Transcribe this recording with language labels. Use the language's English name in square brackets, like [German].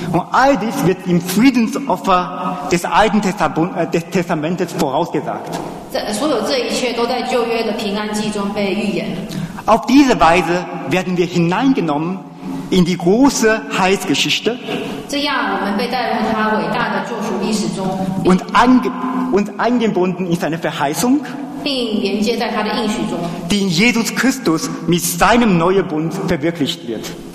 [German] Und all dies wird im Friedensopfer des Alten Testamentes vorausgesagt. [Chinese] 所有这一切都在旧约的平安祭中被预言。 [German] Auf diese Weise werden wir hineingenommen in die große Heilsgeschichte. [Chinese] 这样我们被带入他伟大的救赎历史中。 [German] Und eingebunden in seine Verheißung, die in Jesus Christus mit seinem neuen Bund verwirklicht wird.